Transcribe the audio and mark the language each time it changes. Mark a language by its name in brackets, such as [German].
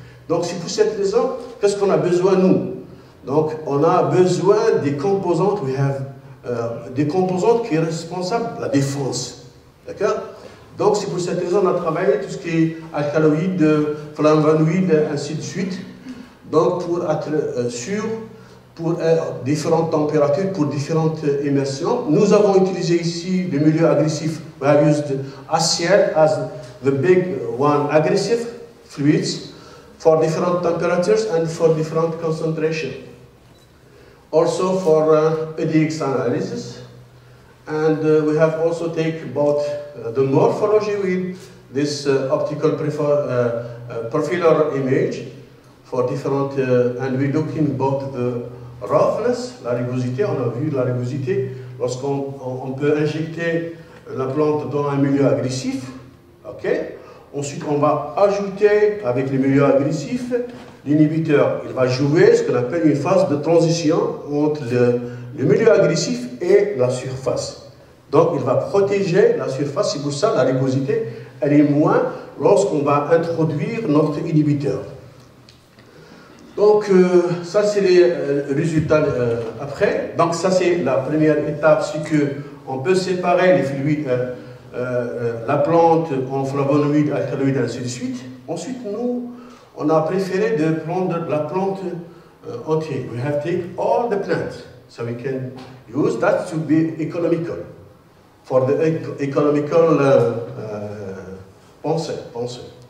[French] Donc c'est pour cette raison, qu'est-ce qu'on a besoin nous? Donc on a besoin des composantes, [English] we have, [French] des composantes qui sont responsables de la défense. D'accord? Donc c'est pour cette raison qu'on a travaillé tout ce qui est alcaloïdes, flavonoïdes, ainsi de suite. Donc pour être sûr, pour différentes températures, pour différentes immersions. Nous avons utilisé ici le milieu agressif. [English] We have used ACL as the big one aggressive fluids for different temperatures and for different concentrations. Also for EDX analysis. And we have also taken both the morphology with this optical profiler image. For different, and we're looking about the roughness, la rugosité. [French] On a vu la rugosité lorsqu'on on peut injecter la plante dans un milieu agressif. Okay. Ensuite, on va ajouter avec le milieu agressif l'inhibiteur. Il va jouer ce qu'on appelle une phase de transition entre le milieu agressif et la surface. Donc, il va protéger la surface. C'est pour ça la rugosité, elle est moins lorsqu'on va introduire notre inhibiteur. Donc, ça, c'est les résultats après. Donc, ça, c'est la première étape, c'est qu'on peut séparer les fluides, la plante en flavonoïdes, alcaloïdes, ainsi de suite. Ensuite, nous, on a préféré de prendre la plante entière. [English] We have to take all the plants, so we can use that to be economical, for the economical pensée.